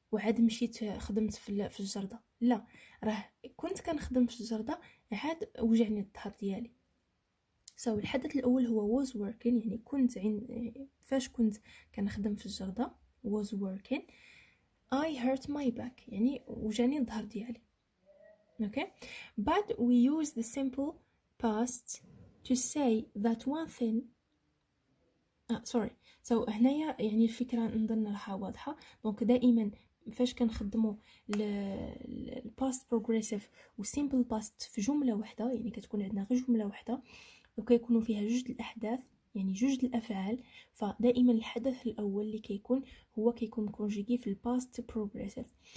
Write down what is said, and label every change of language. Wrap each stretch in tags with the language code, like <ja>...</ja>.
<ar>وعاد مشيت خدمت في الجردة، لا راه كنت كنخدم في الجردة عاد وجعني الظهر ديالي. سو الحدث الاول هو</ar> <en>was working،</en> <ar>يعني كنت فاش كنت كنخدم في الجردة</ar> <en>was working I hurt my back،</en> <ar>يعني وجعني الظهر ديالي.</ar> <en>Okay, but we use the simple past to say that one thing. Sorry.</en> <ar>So هنايا يعني الفكرة نظن راح واضحة. دونك دائما فاش كنخدمو ال past progressive و simple past في جملة واحدة، يعني كتكون عندنا غير جملة واحدة وكيكونوا فيها جوج الأحداث، يعني جوج الأفعال، فدائما الحدث الأول اللي كيكون هو كيكون كونجيكي في الباست بروغريسيف.</ar>